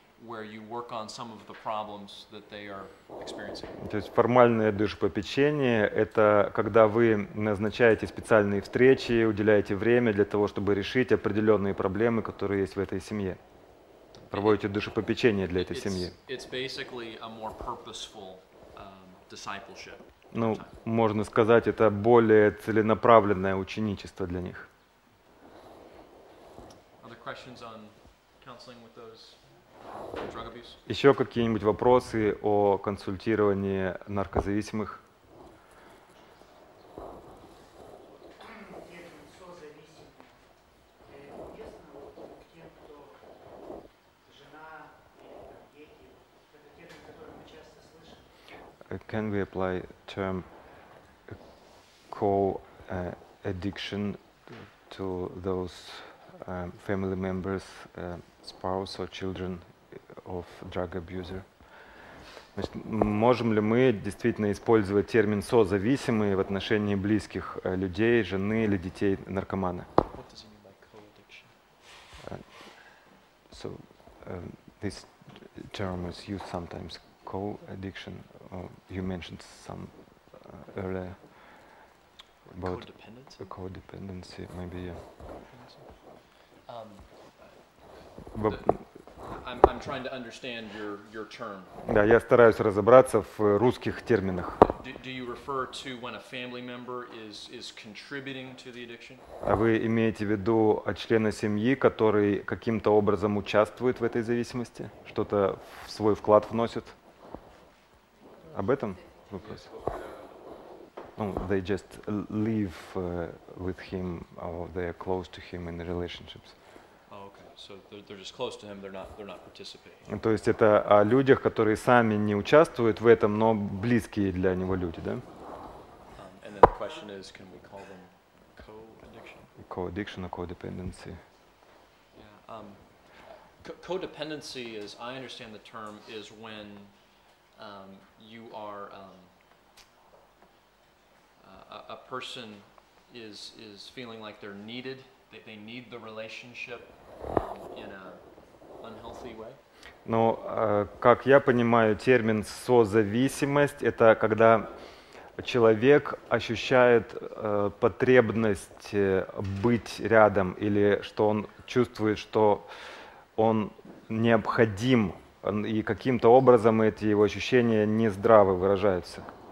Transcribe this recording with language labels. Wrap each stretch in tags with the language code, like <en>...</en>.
<en>Where you work on some of the problems that they are experiencing.</en> <ru>То есть формальное душепопечение — это когда вы назначаете специальные встречи, уделяете время для того, чтобы решить определенные проблемы, которые есть в этой семье. Проводите душепопечение для этой семьи.</ru> <en>It's basically a more purposeful discipleship.</en> <ru>Ну, можно сказать, это более целенаправленное ученичество для них.</ru> <en>Other questions on counseling with those?</en> <ru>Еще какие-нибудь вопросы о консультировании наркозависимых?</ru> <en>Can we apply term co-addiction to those family members, spouse or children? Of drug abuser.</en> <ru>Значит, можем ли мы действительно использовать термин созависимые в отношении близких людей, жены или детей наркомана?</ru> <en>What does he mean by co-addiction? This term is used sometimes, co-addiction. You mentioned some earlier about codependency. Codependency, maybe. Yeah. I'm trying to understand your term.</en> <ru>Да, я стараюсь разобраться в русских терминах.</ru> <en>Do you refer to when a family member is contributing to the addiction?</en> <ru>А вы имеете в виду члена семьи, который каким-то образом участвует в этой зависимости, что-то в свой вклад вносит? об этом вопрос? Ну,</ru> <en>they just live with him, or they are close to him in relationships. Oh, okay. So they're just close to him. They're not participating.</en> <ru>То есть это о людях, которые сами не участвуют в этом, но близкие для него люди, да?</ru> <en>And then the question is, can we call them co-addiction? Co-addiction or codependency? Yeah. Codependency is, I understand the term is when you are a person is feeling like they're needed, that they need the relationship in a unhealthy way.</en> <ru>Но как я понимаю термин созависимость, это когда человек ощущает потребность быть рядом, или что он чувствует, что он необходим, и каким-то образом эти его ощущения нездраво выражаются.</ru>